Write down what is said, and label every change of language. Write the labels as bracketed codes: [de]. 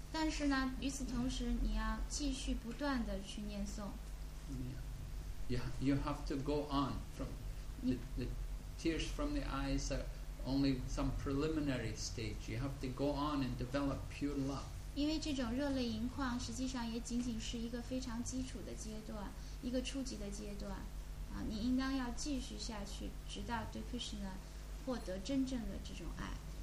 [zh] 但是呢，与此同时，你要继续不断的去念诵。 [en] Yeah, you have to go on from the tears from the eyes are only some preliminary stage. You have to go on and develop pure love. [zh] 因为这种热泪盈眶实际上也仅仅是一个非常基础的阶段一个初级的阶段你应当要继续下去直到对 Krishna 获得真正的这种爱